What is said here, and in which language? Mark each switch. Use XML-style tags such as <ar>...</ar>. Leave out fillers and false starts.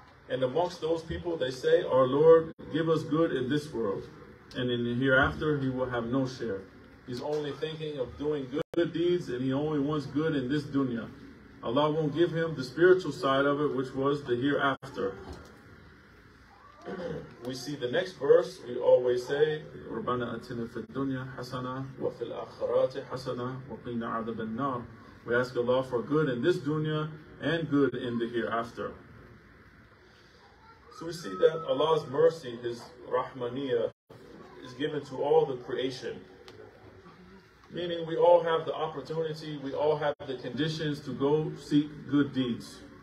<en>And amongst those people, they say, our Lord, give us good in this world. And in the hereafter, he will have no share. He's only thinking of doing good deeds, and he only wants good in this dunya. Allah won't give him the spiritual side of it, which was the hereafter. We see the next verse, we always say,</en> <ar>رَبَّنَا أَتِنَا فِي الدُّنْيَا حَسَنَا وَفِي الْآخِرَاتِ حَسَنَا وَقِينَا عَذَبَ النَّارِ.</ar> <en>We ask Allah for good in this dunya and good in the hereafter. So we see that Allah's mercy, His Rahmaniyah, is given to all the creation. Meaning we all have the opportunity, we all have the conditions to go seek good deeds.</en>